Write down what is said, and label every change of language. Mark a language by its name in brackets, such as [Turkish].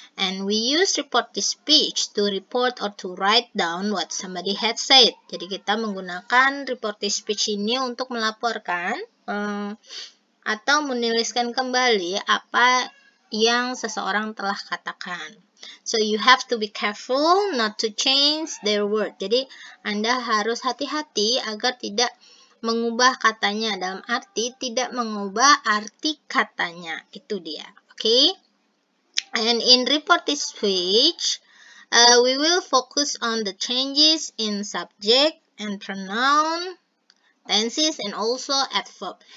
[English] And we use reported speech to report or to write down what somebody had said. [Indonesian] Jadi kita menggunakan reported speech ini untuk melaporkan atau menuliskan kembali apa yang seseorang telah katakan. [English] So you have to be careful not to change their word. [Indonesian] Jadi Anda harus hati-hati agar tidak mengubah katanya, dalam arti tidak mengubah arti katanya. Itu dia. Okay? [English] And in reported speech, we will focus on the changes in subject and pronoun, tenses, and also adverb.